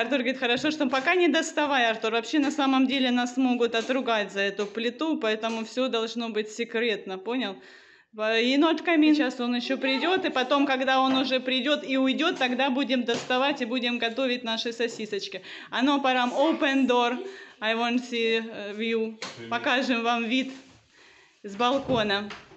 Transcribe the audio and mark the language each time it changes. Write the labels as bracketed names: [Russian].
[Russian] Артур говорит, хорошо, что пока не доставай, Артур. Вообще, на самом деле, нас могут отругать за эту плиту, поэтому все должно быть секретно, понял? Енот камин. Сейчас он еще придет, и потом, когда он уже придет и уйдет, тогда будем доставать и будем готовить наши сосисочки. А ну, пора, [English] open door, I want to see view. [Russian] Покажем вам вид с балкона.